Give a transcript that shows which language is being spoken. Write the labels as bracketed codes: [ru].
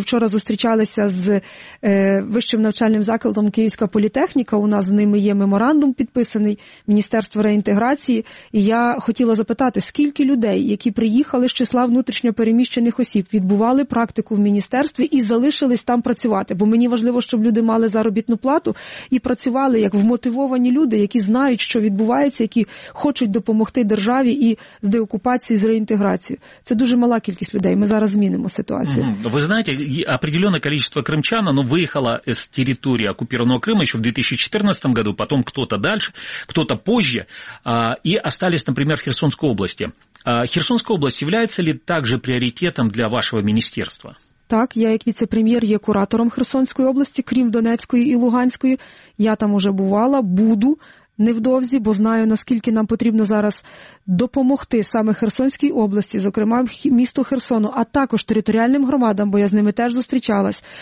[uk] Ми вчора зустрічалися з вищим навчальним закладом Київська політехніка, у нас з ними є меморандум підписаний Міністерство реінтеграції, і я хотіла запитати, скільки людей, які приїхали з числа внутрішньопереміщених осіб, відбували практику в міністерстві і залишились там працювати, бо мені важливо, щоб люди мали заробітну плату і працювали як вмотивовані люди, які знають, що відбувається, які хочуть допомогти державі і з деокупації, з реінтеграцією. Це дуже мала кількість людей, ми зараз змінимо ситуацію. Ви знаєте, [ru] количество крымчан, оно выехало с территории оккупированного Крыма еще в 2014 году, потом кто-то дальше, кто-то позже, и остались, например, в Херсонской области. Херсонская область является ли также приоритетом для вашего министерства? [uk] Так, я як віце-прем'єр є куратором Херсонської області, крім Донецької і Луганської. Я там уже бувала, буду. невдовзі, бо знаю, наскільки нам потрібно зараз допомогти саме Херсонській області, зокрема місту Херсону, а також територіальним громадам, бо я з ними теж зустрічалась.